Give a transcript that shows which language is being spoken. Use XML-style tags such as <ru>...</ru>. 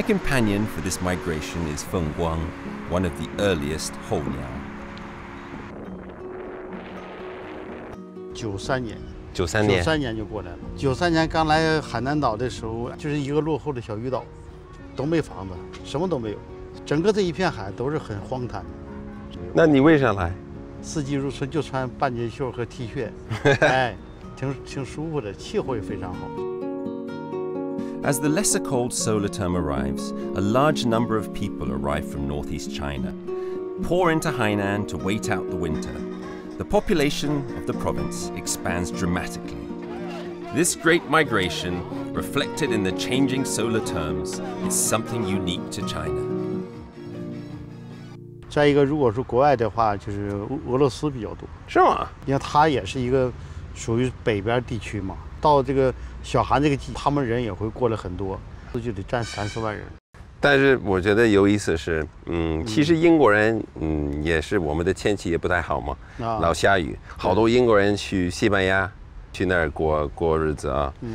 <en>companion for this migration is Feng Guang, one of the earliest Houniao.</en> <zh>93年，93年就过来了。93年刚来海南岛的时候，就是一个落后的小渔岛，都没房子，什么都没有，整个这一片海都是很荒滩。那你为啥来？四季如春，就穿半截袖和T恤，哎，挺舒服的，气候也非常好。</zh> <en>As the lesser cold solar term arrives, a large number of people arrive from northeast China, pour into Hainan to wait out the winter. The population of the province expands dramatically. This great migration, reflected in the changing solar terms, is something unique to China.</en> <zh>再一个，如果是国外的话，就是俄罗斯比较多。是吗？因为它也是一个属于北边地区嘛，到这个小韩这个季，他们人也会过来很多，就得占3-4万人。但是我觉得有意思是，其实英国人，也是我们的天气也不太好嘛，老下雨，好多英国人去西班牙，去那儿过日子啊。</zh>